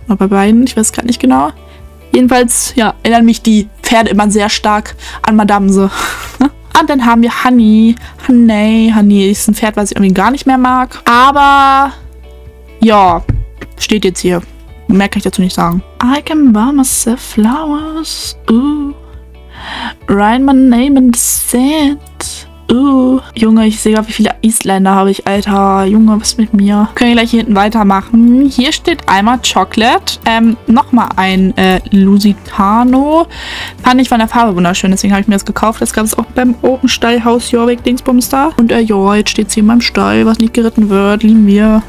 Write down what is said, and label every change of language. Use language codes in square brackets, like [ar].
[de] Oder bei beiden, ich weiß gerade nicht genau. Jedenfalls, ja, erinnern mich die Pferde immer sehr stark an Madamse. Und dann haben wir Honey. Honey ist ein Pferd, was ich irgendwie gar nicht mehr mag. Aber, ja, steht jetzt hier. Mehr kann ich dazu nicht sagen. [en] I can buy myself flowers. Ooh. Write my name in the sand. Ooh. [de] Junge, ich sehe gerade, wie viele Isländer habe ich, Alter. Junge, was ist mit mir? Können wir gleich hier hinten weitermachen. Hier steht einmal Chocolate. Nochmal ein Lusitano. Fand ich von der Farbe wunderschön, deswegen habe ich mir das gekauft. Das gab es auch beim Open Stallhaus Jorvik Dingsbums da. Und ja, jetzt steht es hier in meinem Stall, was nicht geritten wird. Lieben wir.